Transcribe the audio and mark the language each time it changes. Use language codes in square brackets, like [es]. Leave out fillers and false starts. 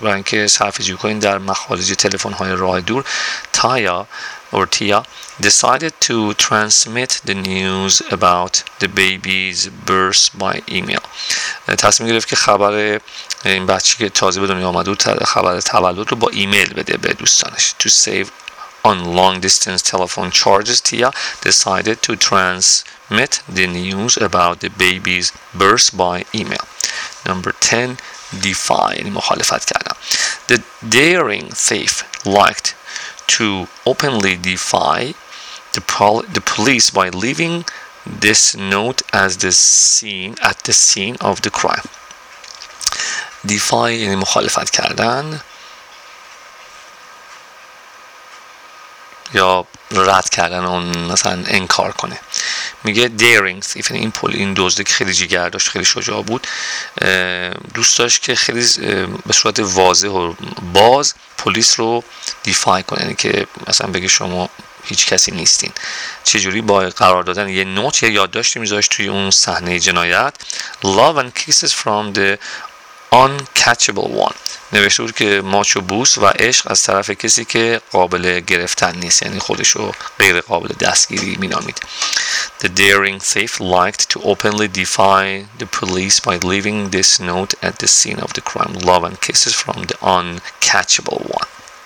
[fa] برای اینکه صرفه‌جویی کنید در مخارج تلفن های راه دور، [en] Tia or Tia decided to transmit the news about the baby's birth by email. [fa] تصمیم گرفت که خبر این بچه که تازه به دنیا آمده و خبر تولد رو با ایمیل بده به دوستانش. [en] To save on long distance telephone charges, Tia decided to transmit the news about the baby's birth by email. Number 10, defy. [fa] مخالفت کردم. [en] The daring thief liked to openly defy the police by leaving this note at the scene of the crime. [fa] Defy یعنی مخالفت کردن یا رد کردن، اون مثلا انکار کنه. میگه [en] daring thief، [fa] این پول، این دزده که خیلی جیگر داشت، خیلی شجاع بود، دوست داشت که خیلی به صورت واضح و باز پلیس رو دیفای کنه، یعنی که مثلا بگه شما هیچ کسی نیستین. چجوری؟ با قرار دادن یه نوت، یه یادداشت میذاشت توی اون صحنه جنایت. [en] Love and kisses from the uncatchable one، [fa] نوشته بود که ماچ و بوس و عشق از طرف کسی که قابل گرفتن نیست، یعنی خودش رو غیر قابل دستگیری مینامید. [en] The daring thief liked to openly defy the police by leaving this note at the scene of the crime. Love and kisses from the uncatchable one.